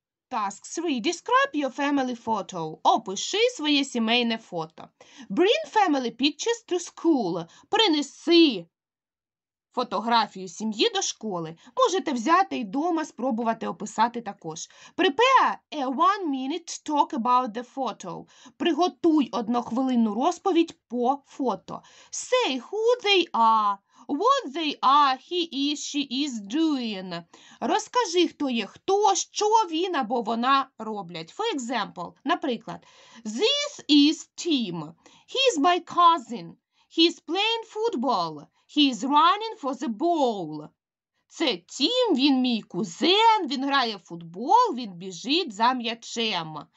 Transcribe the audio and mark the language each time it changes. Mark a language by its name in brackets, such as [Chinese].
[English] Task 3. Describe your family photo. [Ukrainian] Опиши своє сімейне фото. [English] Bring family pictures to school. [Ukrainian] Принеси фотографію сім'ї до школи. Можете взяти і дома спробувати описати також. [English] Prepare a one-minute talk about the photo. [Ukrainian] Приготуй однохвилинну розповідь по фото. [English] Say who they are. What they are, he is, she is doing. [Ukrainian] Розкажи, хто є хто, що він або вона роблять. [English] For example, [Ukrainian] наприклад, [English] this is Tim. He's my cousin. He's playing football. He's running for the ball. [Ukrainian] Це Тім, він мій кузен, він грає в футбол, він біжить за м'ячем.